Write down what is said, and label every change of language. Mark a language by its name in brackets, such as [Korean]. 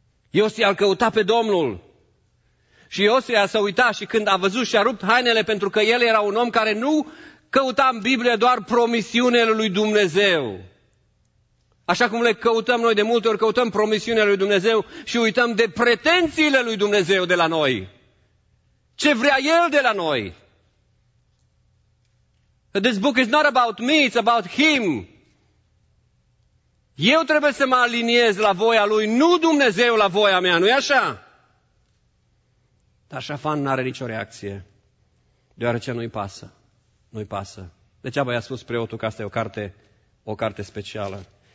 [Romanian] Iosua căuta pe Domnul. Și Iosua s-a uitat și când a văzut și a rupt hainele, pentru că el era un om care nu căuta în Biblie doar promisiunile lui Dumnezeu. Așa cum le căutăm noi de multe ori, căutăm promisiunile lui Dumnezeu și uităm de pretențiile lui Dumnezeu de la noi. Ce vrea El de la noi? [English] This book is not about me, it's about Him. [Romanian] Eu trebuie să mă aliniez la voia Lui, nu Dumnezeu la voia mea, nu-i așa? Dar Șafan n-are nicio reacție, deoarece nu-i pasă, nu-i pasă. Degeaba i-a spus preotul că asta e o carte specială.